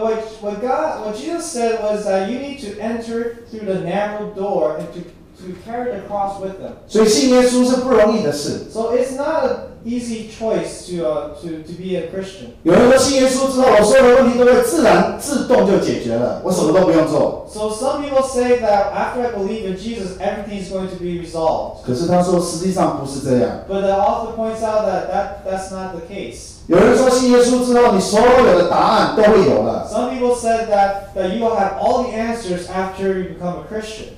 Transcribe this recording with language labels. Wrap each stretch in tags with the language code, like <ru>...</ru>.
<en>what Jesus said was that you need to enter through the narrow door and to carry the cross with them.</en> <zh>所以信耶稣是不容易的事。So</zh> <en>it's not an easy choice to be a Christian.</en> <zh>有人说信耶稣之后，我所有的问题都会自动就解决了，我什么都不用做。So</zh> <en>some people say that after I believe in Jesus, everything is going to be resolved.</en> <zh>可是他说实际上不是这样。But</zh> <en>the author points out that's not the case.</en> <zh>有人说信耶稣之后，你所有的答案都会有了。Some</zh> <en>people said that you will have all the answers after you become a Christian.</en>